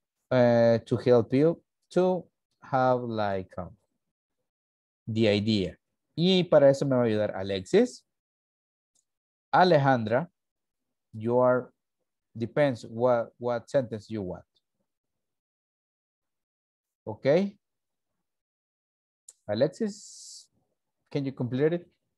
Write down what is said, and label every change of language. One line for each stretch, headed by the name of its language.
English: To help you to have like the idea.
Spanish: Y para eso me va a ayudar Alexis.
English: Alejandra, you are, depends what sentence you want. Okay. Alexis, can you complete it?